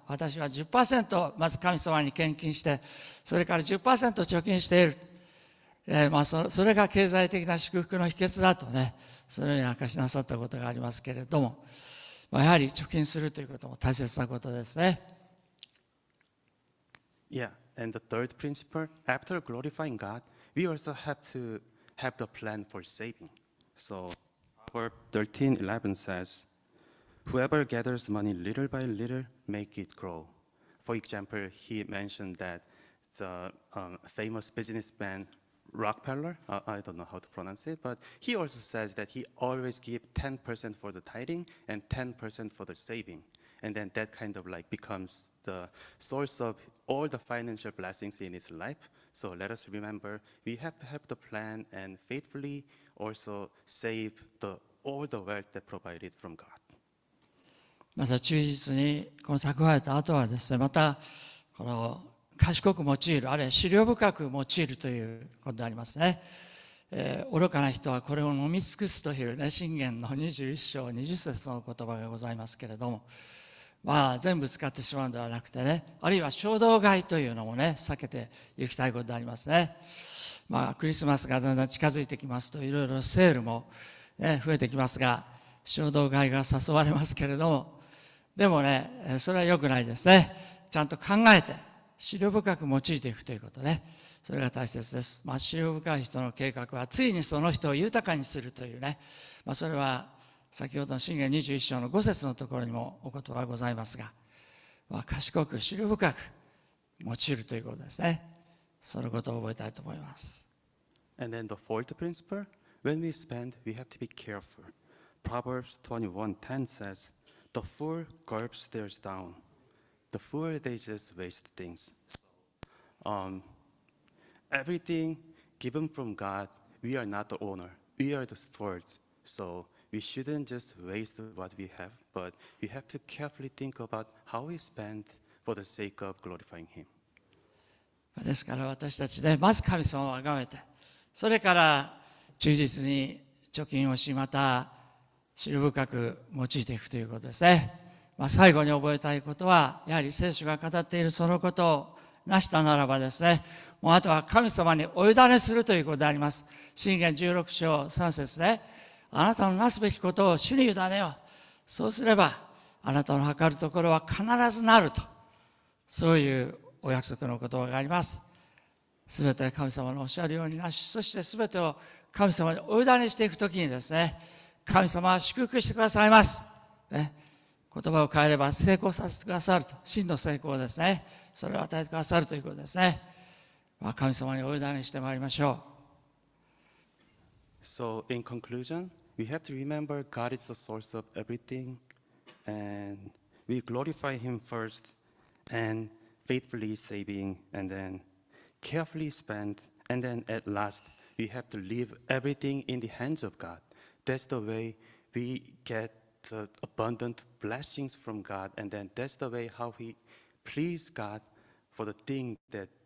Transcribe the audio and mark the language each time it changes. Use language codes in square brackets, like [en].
[ja] 私は 10% まず神様に献金して、それから 10% 貯金している。まあ、それが経済的な祝福の秘訣だとね、そのように明かしなさったことがありますけれども、まあ、やはり貯金するということも大切なことですね。 [en] Yeah, and the third principle, after glorifying God, we also have to have the plan for saving. So, Proverbs 13:11 says,Whoever gathers money little by little, make it grow. For example, he mentioned that the famous businessman Rockefeller, I don't know how to pronounce it, but he also says that he always give 10% for the tithing and 10% for the saving. And then that kind of like becomes the source of all the financial blessings in his life. So let us remember, we have to have the plan and faithfully also save the, all the wealth that provided from God. [ja] また忠実にこの蓄えた後はですね、またこの賢く用いる、あるいは思慮深く用いるということでありますね。愚かな人はこれを飲み尽くすというね、箴言の21章20節の言葉がございますけれども、まあ全部使ってしまうのではなくてね、あるいは衝動買いというのもね、避けていきたいことでありますね。まあクリスマスがだんだん近づいてきますと、いろいろセールも、ね、増えてきますが、衝動買いが誘われますけれども、でもね、それは良くないですね。ちゃんと考えて、思慮深く用いていくということね。それが大切です。まあ、思慮深い人の計画は、ついにその人を豊かにするというね。まあ、それは、先ほどの箴言21章の5節のところにもお言葉がございますが、まあ、賢く、思慮深く用いるということですね。そのことを覚えたいと思います。 [en] And then the fourth principle, when we spend, we have to be careful. Proverbs 21:10 says,The fool gulps theirs down. The fool, they just waste things. Everything given from God, we are not the owner. We are the steward. So we shouldn't just waste what we have, but we have to carefully think about how we spend for the sake of glorifying Him. [ja] ですから私たちね、まず神様を崇めて、それから忠実に貯金をし、また思慮深く用いていくということですね。まあ、最後に覚えたいことは、やはり聖書が語っているそのことを成したならばですね、もうあとは神様にお委ねするということであります。箴言16章3節で、あなたのなすべきことを主に委ねよう。そうすれば、あなたの計るところは必ずなると。そういうお約束の言葉があります。すべて神様のおっしゃるようになし、そしてすべてを神様にお委ねしていくときにですね、神様は祝福してくださいます、ね、言葉を変えれば成功させてくださると真の成功ですねそれを与えてくださるということですね、まあ、神様にお委ねしてまいりましょう [en] So in conclusion we have to remember God is the source of everything and we glorify Him first and faithfully saving and then carefully spend and then at last we have to leave everything in the hands of GodThat's the way we get the abundant blessings from God, and then that's the way how we please God for the thing that